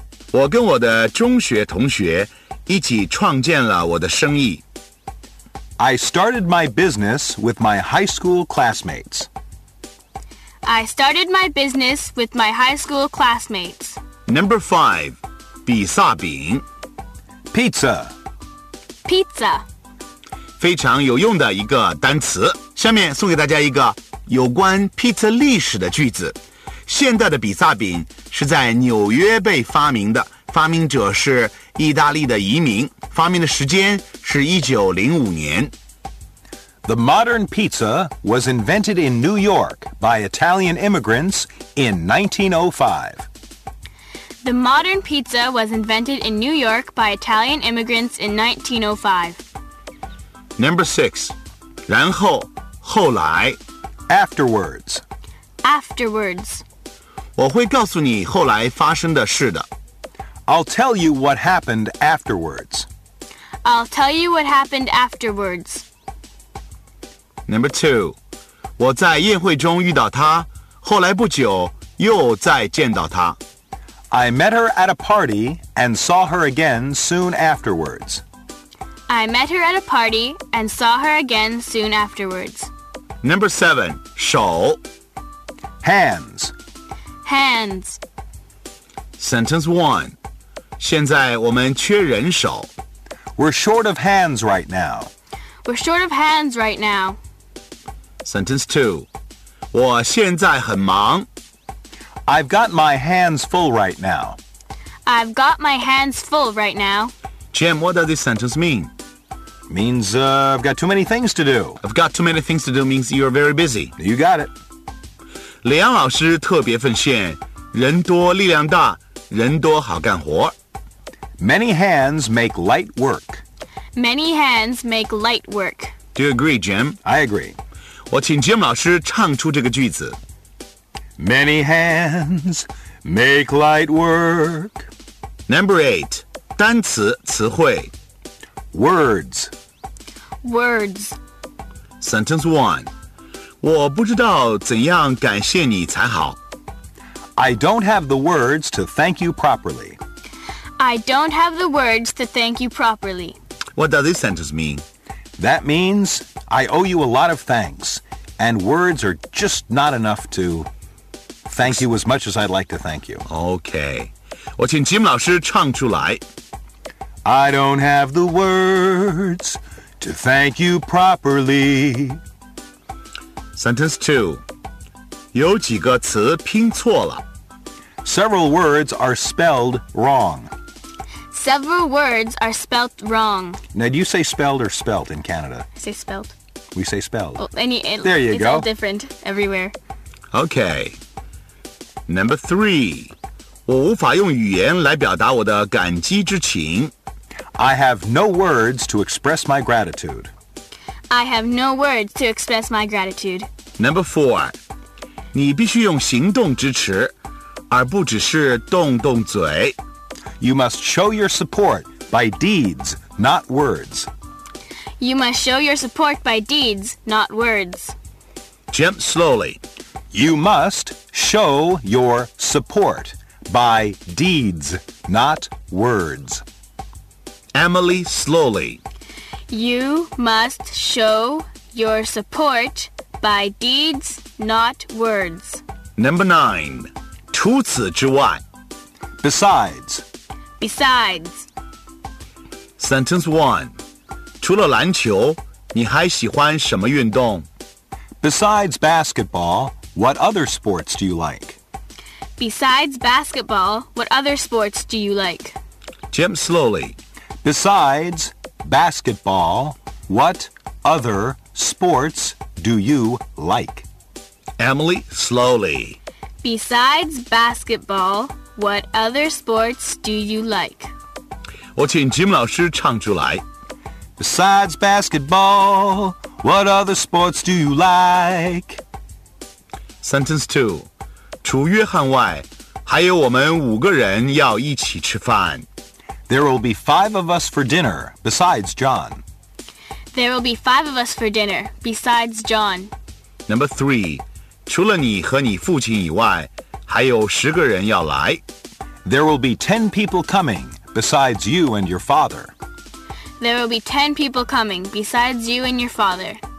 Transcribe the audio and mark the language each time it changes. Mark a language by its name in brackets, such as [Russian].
[Chinese] 我跟我的中学同学一起创建了我的生意 [English] I started my business with my high school classmates I started my business with my high school classmates. Number five, 比萨饼 Pizza. Pizza. [Chinese] 非常有用的一个单词。下面送给大家一个有关 pizza 历史的句子。现在的比萨饼是在纽约被发明的。发明者是意大利的移民。发明的时间是1905年。 [English] The modern pizza was invented in New York by Italian immigrants in 1905. The modern pizza was invented in New York by Italian immigrants in 1905. Number six, [Chinese] 然后，后来 [English] Afterwards. Afterwards. [Chinese] 我会告诉你后来发生的事的。 [English] I'll tell you what happened afterwards. I'll tell you what happened afterwards. Number two, [Chinese] 我在宴会中遇到她，后来不久又再见到她。 [English] I met her at a party and saw her again soon afterwards. I met her at a party and saw her again soon afterwards. Number seven, 手 Hands. Hands. Sentence one, [Chinese] 现在我们缺人手。 [English] We're short of hands right now. We're short of hands right now. Sentence 2. 我现在很忙。 I've got my hands full right now. I've got my hands full right now. Jim, what does this sentence mean? Means, I've got too many things to do. I've got too many things to do means you're very busy. You got it. [Chinese] 李阳老师特别奉献，人多力量大，人多好干活。 [English] Many hands make light work. Many hands make light work. Do you agree, Jim? I agree. [Chinese] 我请 Jim 老师唱出这个句子。 [English] Many hands make light work. Number eight, [Chinese] 单词词汇。 [English] Words. Words. Sentence one, [Chinese] 我不知道怎样感谢你才好。 [English] I don't have the words to thank you properly. I don't have the words to thank you properly. What does this sentence mean? That means I owe you a lot of thanks. And words are just not enough to thank you as much as I'd like to thank you. Okay. [Chinese] 我请 Jim 老师唱出来。 [English] I don't have the words to thank you properly. Sentence two. [Chinese] 有几个词拼错了。 [English] Several words are spelled wrong. Several words are spelled wrong. Now, do you say spelled or spelt in Canada? I say spelt. We say spelled. Well, there you go. It's all different everywhere. Okay. Number three. [Chinese] 我无法用语言来表达我的感激之情。 [English] I have no words to express my gratitude. I have no words to express my gratitude. Number four. [Chinese] 你必须用行动支持，而不只是动动嘴。 [English] You must show your support by deeds, not words. You must show your support by deeds, not words. Jim, slowly. You must Show your support by deeds, not words. Emily, slowly. You must show your support by deeds, not words. Number 9. [Chinese] 除此之外. [English] Besides. Besides. Sentence 1. [Chinese] 除了篮球, 你还喜欢什么运动? [English] Besides basketball, what other sports do you like? Besides basketball, what other sports do you like? Jim, slowly. Besides basketball, what other sports do you like? Emily, slowly. Besides basketball, what other sports do you like? [Chinese] 我请Jim老师唱出来。 [English] Besides basketball, what other sports do you like? Sentence 2. [Chinese] 除约翰外,还有我们五个人要一起吃饭。 [English] There will be 5 of us for dinner, besides John. There will be 5 of us for dinner, besides John. Number 3. [Chinese] 除了你和你父亲以外,还有10个人要来。 [English] There will be 10 people coming, besides you and your father. There will be 10 people coming, besides you and your father.